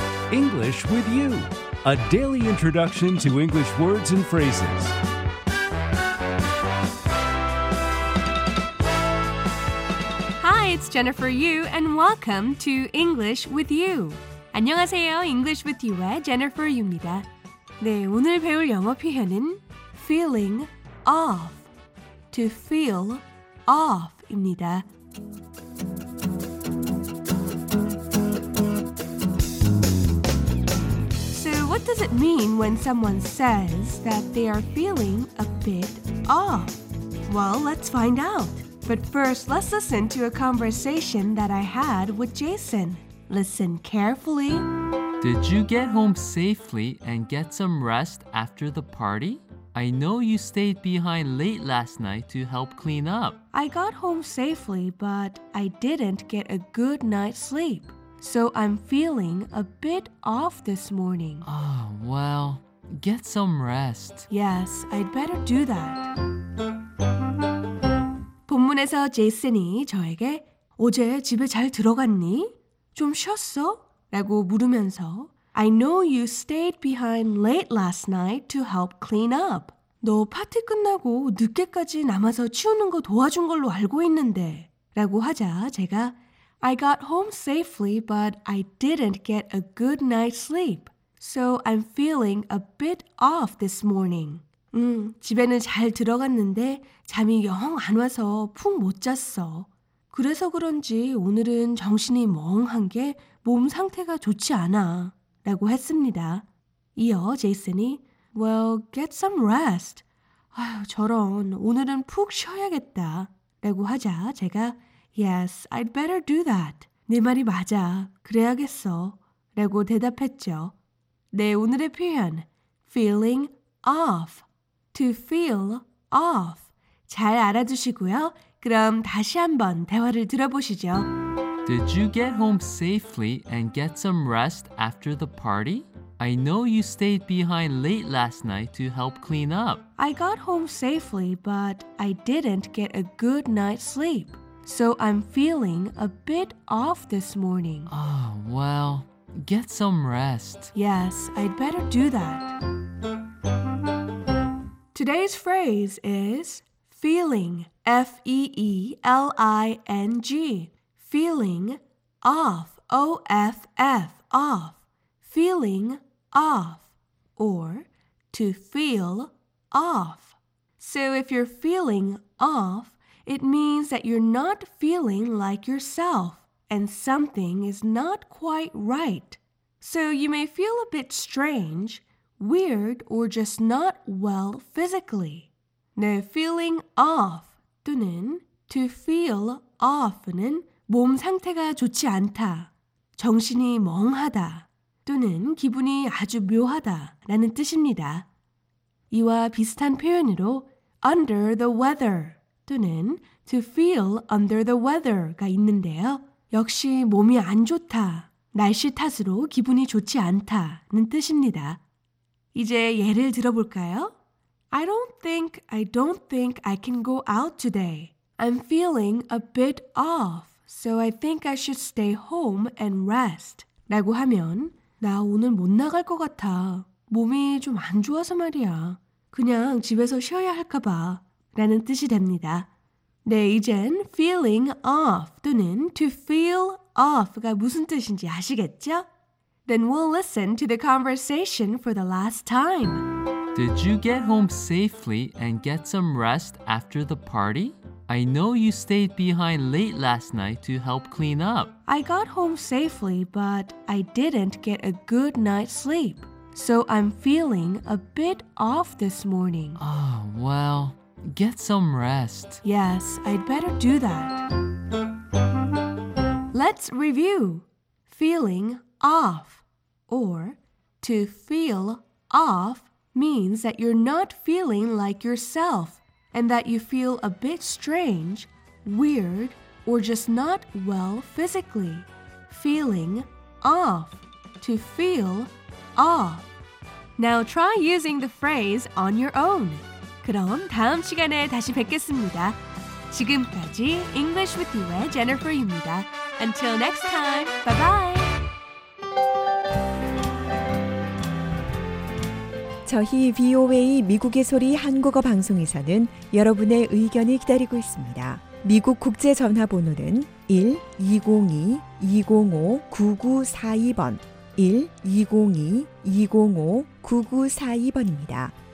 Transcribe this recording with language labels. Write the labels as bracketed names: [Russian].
[English] English with You, a daily introduction to English words and phrases. Hi, it's Jennifer Yu, and welcome to English with You. [Korean] 안녕하세요, English with You의 Jennifer Yu입니다. 네, 오늘 배울 영어 표현은 [English] feeling off, to feel off [Korean] 입니다. [English] What does it mean when someone says that they are feeling a bit off? Well, let's find out. But first, let's listen to a conversation that I had with Jason. Listen carefully. Did you get home safely and get some rest after the party? I know you stayed behind late last night to help clean up. I got home safely, but I didn't get a good night's sleep. So I'm feeling a bit off this morning. Oh, well, get some rest. Yes, I'd better do that. [Korean] 본문에서 제이슨이 저에게 어제 집에 잘 들어갔니? 좀 쉬었어? 라고 물으면서 [English] I know you stayed behind late last night to help clean up. [Korean] 너 파티 끝나고 늦게까지 남아서 치우는 거 도와준 걸로 알고 있는데 라고 하자 제가 [English] I got home safely, but I didn't get a good night's sleep. So I'm feeling a bit off this morning. [Korean] 집에는 잘 들어갔는데 잠이 영 안 와서 푹 못 잤어. 그래서 그런지 오늘은 정신이 멍한 게 몸 상태가 좋지 않아. 라고 했습니다. 이어 제이슨이 [English] Well, get some rest. [Korean] 아휴, 저런, 오늘은 푹 쉬어야겠다. 라고 하자 제가 [English] Yes, I'd better do that. [Korean] 네 말이 맞아. 그래야겠어. 라고 대답했죠. 네, 오늘의 표현. Feeling off. [English] To feel off. [Korean] 잘 알아두시고요. 그럼 다시 한번 대화를 들어보시죠. [English] Did you get home safely and get some rest after the party? I know you stayed behind late last night to help clean up. I got home safely, but I didn't get a good night's sleep. So I'm feeling a bit off this morning. Oh, well, get some rest. Yes, I'd better do that. Today's phrase is feeling, F-E-E-L-I-N-G. Feeling off, O-F-F, off. Feeling off, or to feel off. So if you're feeling off, It means that you're not feeling like yourself and something is not quite right. So you may feel a bit strange, weird, or just not well physically. [Korean] 네, feeling off 또는 to feel off는 몸 상태가 좋지 않다, 정신이 멍하다 또는 기분이 아주 묘하다라는 뜻입니다. 이와 비슷한 표현으로 under the weather 또는 [English] to feel under the weather [Korean] 가 있는데요. 역시 몸이 안 좋다, 날씨 탓으로 기분이 좋지 않다는 뜻입니다. 이제 예를 들어볼까요? [English] I don't think I can go out today. I'm feeling a bit off, so I think I should stay home and rest. [Korean] 라고 하면 나 오늘 못 나갈 것 같아. 몸이 좀 안 좋아서 말이야. 그냥 집에서 쉬어야 할까 봐. 라는 뜻이 됩니다. 네, 이젠 feeling off 또는 to feel off가 무슨 뜻인지 아시겠죠? [English] Then we'll listen to the conversation for the last time. Did you get home safely and get some rest after the party? I know you stayed behind late last night to help clean up. I got home safely, but I didn't get a good night's sleep. So I'm feeling a bit off this morning. Oh, well... Get some rest. Yes, I'd better do that. Let's review. Feeling off, or to feel off, means that you're not feeling like yourself and that you feel a bit strange, weird, or just not well physically. Feeling off, to feel off. Now try using the phrase on your own. [Korean] 그럼 다음 시간에 다시 뵙겠습니다. 지금까지 English with You의 Jennifer입니다. [English] Until next time, bye-bye! [Korean] 저희 VOA 미국의 소리 한국어 방송에서는 여러분의 의견을 기다리고 있습니다. 미국 국제 전화번호는 1-202-205-9942번, 1-202-205-9942번입니다.